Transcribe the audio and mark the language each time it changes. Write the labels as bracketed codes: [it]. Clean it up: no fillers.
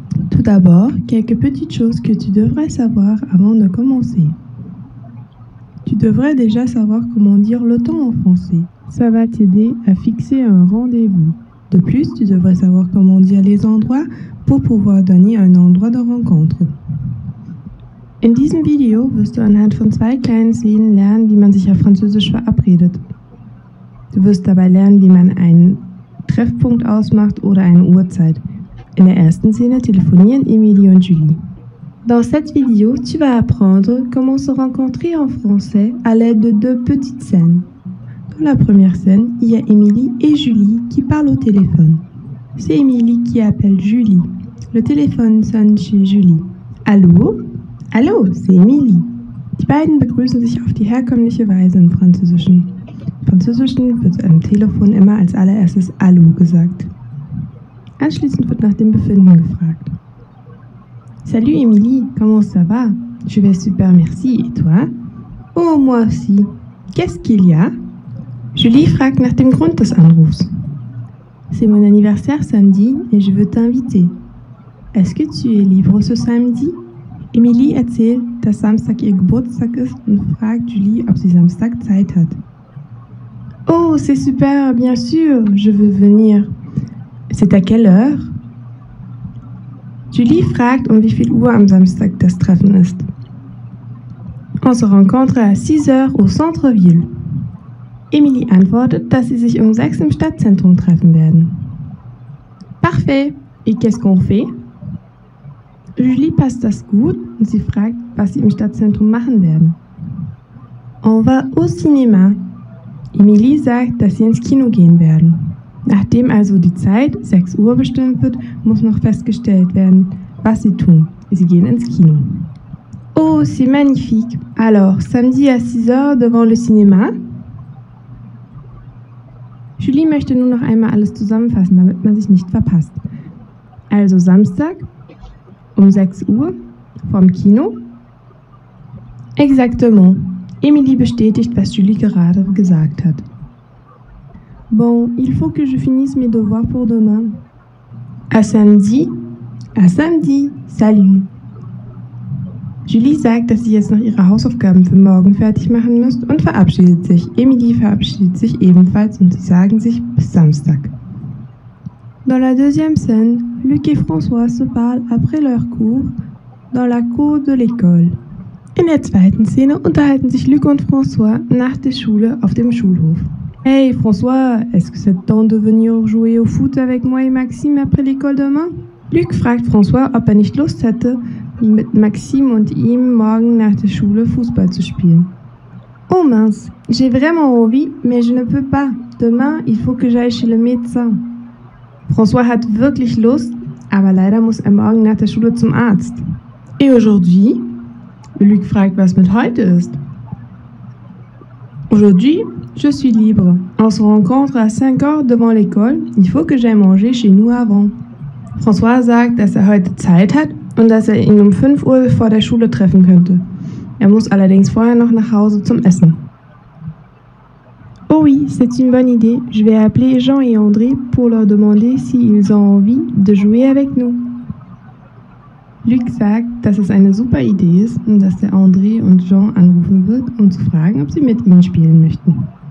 [fr] Tout d'abord, quelques petites choses que tu devrais savoir avant de commencer. Tu devrais déjà savoir comment dire le temps en français. Ça va t'aider à fixer un rendez-vous. De plus, tu devrais savoir comment dire les endroits pour pouvoir donner un endroit de rencontre. [de] In diesem Video wirst du anhand von zwei kleinen Szenen lernen, wie man sich auf Französisch verabredet. Du wirst dabei lernen, wie man einen Treffpunkt ausmacht oder eine Uhrzeit. In der ersten Szene telefonieren Emilie und Julie. [fr] Dans cette vidéo, tu vas apprendre comment se rencontrer en français à l'aide de deux petites scènes. Dans la première scène, il y a Emilie et Julie qui parlent au téléphone. C'est Emilie qui appelle Julie. Le téléphone sonne chez Julie. Allô? Hallo, c'est Emilie. [de] Die beiden begrüßen sich auf die herkömmliche Weise im Französischen. Im Französischen wird am Telefon immer als allererstes Hallo gesagt. Anschließend wird nach dem Befinden gefragt. [fr] Salut Emilie, comment ça va? Je vais super, merci, et toi? Oh, moi aussi. Qu'est-ce qu'il y a? [de] Julie fragt nach dem Grund des Anrufs. [fr] C'est mon anniversaire samedi et je veux t'inviter. Est-ce que tu es libre ce samedi? [de] Emilie erzählt, dass Samstag ihr Geburtstag ist und fragt Julie, ob sie Samstag Zeit hat. [fr] Oh, c'est super, bien sûr, je veux venir. C'est à quelle heure? [de] Julie fragt, um wie viel Uhr am Samstag das Treffen ist. [fr] On se rencontre à 6 heures au centre-ville. [de] Emilie antwortet, dass sie sich um 6 im Stadtzentrum treffen werden. [fr] Parfait, et qu'est-ce qu'on fait? [de] Julie passt das gut und sie fragt, was sie im Stadtzentrum machen werden. [fr] On va au cinéma. [de] Emilie sagt, dass sie ins Kino gehen werden. Nachdem also die Zeit, 6 Uhr, bestimmt wird, muss noch festgestellt werden, was sie tun. Sie gehen ins Kino. [fr] Oh, c'est magnifique. Alors, samedi à 6 heures devant le cinéma? [de] Julie möchte nun noch einmal alles zusammenfassen, damit man sich nicht verpasst. Also Samstag. Um 6 Uhr, vom Kino? [fr] Exactement. [de] Emilie bestätigt, was Julie gerade gesagt hat. [fr] Bon, il faut que je finisse mes devoirs pour demain. À samedi? À samedi, salut. [de] Julie sagt, dass sie jetzt noch ihre Hausaufgaben für morgen fertig machen muss und verabschiedet sich. Emilie verabschiedet sich ebenfalls und sie sagen sich bis Samstag. [fr] Dans la deuxième scène, Luc et François se parlent après leur cours dans la cour de l'école. [de] In der zweiten Szene unterhalten sich Luc und François nach der Schule auf dem Schulhof. [fr] Hey François, est-ce que c'est temps de venir jouer au foot avec moi et Maxime après l'école demain? [de] Luc fragt François, ob nicht Lust hätte, mit Maxime und ihm morgen nach der Schule Fußball zu spielen. [fr] Oh mince, j'ai vraiment envie, mais je ne peux pas. Demain, il faut que j'aille chez le médecin. [de] François hat wirklich Lust, aber leider muss er morgen nach der Schule zum Arzt. [fr] Et aujourd'hui? [de] Luc fragt, was mit heute ist. [fr] Aujourd'hui, je suis libre. On se rencontre à 5 heures devant l'école. Il faut que j'aille manger chez nous avant. [de] François sagt, dass er heute Zeit hat und dass er ihn um 5 Uhr vor der Schule treffen könnte. Er muss allerdings vorher noch nach Hause zum Essen. [fr] Oh oui, c'est une bonne idée. Je vais appeler Jean et André pour leur demander s'ils ont envie de jouer avec nous. [de] Luc sagt, dass es eine super Idee ist und dass der André und Jean anrufen wird, um zu fragen, ob sie mit ihnen spielen möchten.